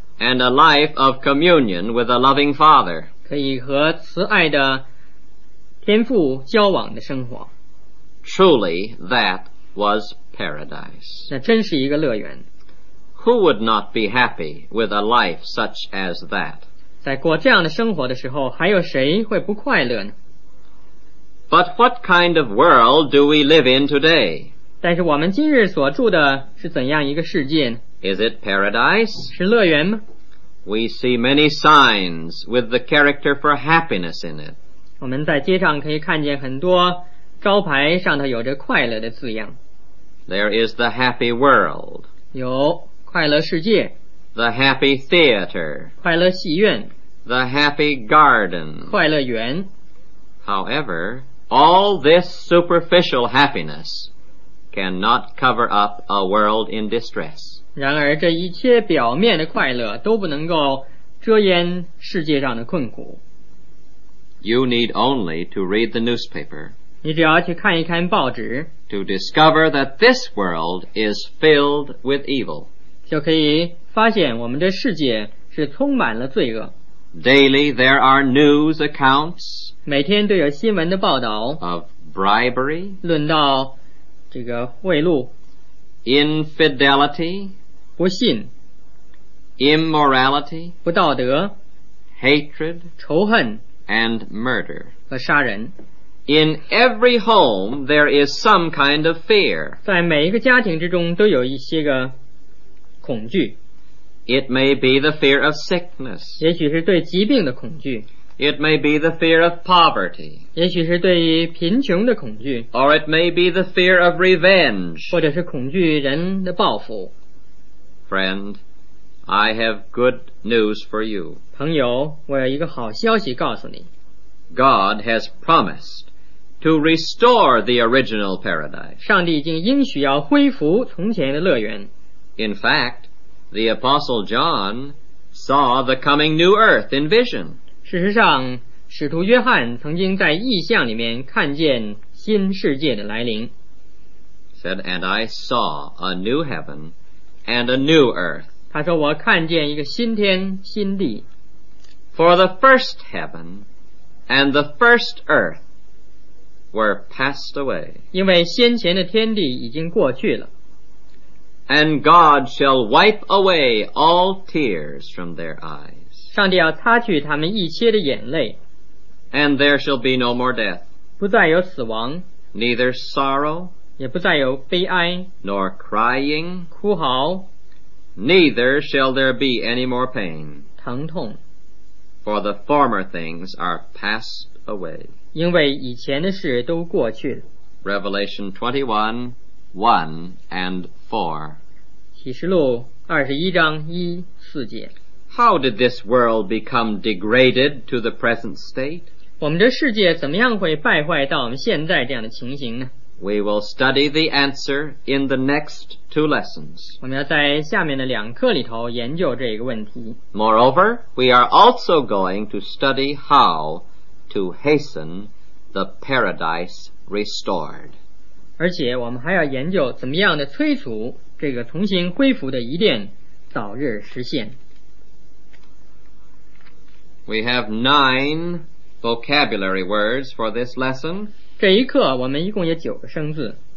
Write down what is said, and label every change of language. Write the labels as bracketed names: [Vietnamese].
[English] And a life of communion with a loving father. [Chinese] 可以和慈爱的天父交往的生活。 [English] Truly, that was paradise. [Chinese] 那真是一个乐园。 [English] Who would not be happy with a life such as that? [Chinese] 在过这样的生活的时候，还有谁会不快乐呢？ [English] But what kind of world do we live in today? [Chinese] 但是我们今日所住的是怎样一个世界呢？ [English] Is it paradise? [Chinese] 是乐园吗？ [English] We see many signs with the character for happiness in it. [Chinese] 我们在街上可以看见很多招牌上头有着快乐的字样。 [English] There is the happy world. [Chinese] 有快乐世界。 [English] The happy theater. [Chinese] 快乐戏院。 [English] The happy garden. [Chinese] 快乐园。 [English] However, all this superficial happiness cannot cover up a world in distress. [Chinese] 然而这一切表面的快乐都不能够遮掩世界上的困苦。 [English] You need only to read the newspaper. [Chinese] 你只要去看一看报纸 [English] to discover that this world is filled with evil [Chinese] 就可以发现我们的世界是充满了罪恶 [English] daily there are news accounts [Chinese] 每天都有新闻的报道 [English] of bribery [Chinese] 论到这个贿赂 [English] infidelity [Chinese] 不信 [English] immorality [Chinese] 不道德 [English] hatred [Chinese] 仇恨 [English] and murder [Chinese] 和杀人 [English] In every home, there is some kind of fear. [Chinese] 在每一个家庭之中都有一些个恐惧。 [English] It may be the fear of sickness. [Chinese] 也许是对疾病的恐惧。 [English] It may be the fear of poverty. [Chinese] 也许是对于贫穷的恐惧。 [English] Or it may be the fear of revenge. [Chinese] 或者是恐惧人的报复。 [English] Friend, I have good news for you. [Chinese] 朋友，我有一个好消息告诉你。 [English] God has promised to restore the original paradise. [Chinese] 上帝已经应许要恢复从前的乐园。 [English] In fact, the Apostle John saw the coming new earth in vision. [Chinese] 事实上，使徒约翰曾经在异象里面看见新世界的来临。 [English] Said, and I saw a new heaven and a new earth. [Chinese] 他说，我看见一个新天新地。 [English] For the first heaven,And the first earth were passed away. [Chinese] 因为先前的天地已经过去了。 [English] And God shall wipe away all tears from their eyes. [Chinese] 上帝要擦去他们一切的眼泪。 [English] And there shall be no more death. [Chinese] 不再有死亡。 [English] Neither sorrow. [Chinese] 也不再有悲哀。 [English] Nor crying. [Chinese] 哭嚎。 [English] Neither shall there be any more pain. [Chinese] 疼痛。 [English] For the former things are passed away. [Chinese] 因为以前的事都过去了。 [English] Revelation 21:1-4. [Chinese] 启示录21:1-4. [English] How did this world become degraded to the present state? [Chinese] 我们的世界怎么样会败坏到我们现在这样的情形呢？ [English] We will study the answer in the next two lessons. [Chinese] 我们要在下面的两课里头研究这个问题。 [English] Moreover, we are also going to study how to hasten the paradise restored. [Chinese] 而且我们还要研究怎么样的催促这个重新恢复的伊甸早日实现。 [English] We have 9 vocabulary words for this lesson. [Chinese] 这一课我们一共有九个生字。